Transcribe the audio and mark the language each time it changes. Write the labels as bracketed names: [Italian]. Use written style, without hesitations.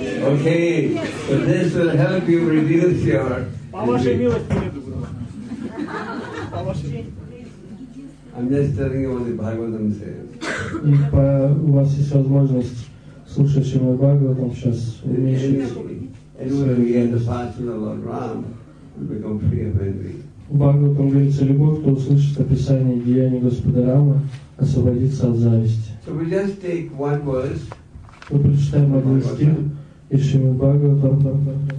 [English] Okay, so this will help you reduce your. I'm just telling you what the Bhagavatam says. [Russian] По у вас есть возможность слушать Шримад Бхагаватам сейчас. [English] Anyone who hears the pastimes of Lord Ram will become free of envy. [Russian] Бхагаватам говорится, любой, кто услышит описание деяний Господа Рама, освободится от зависти. [English] So we just take one verse. [Russian] Мы прочитаем один стих из Шримад Бхагаватам.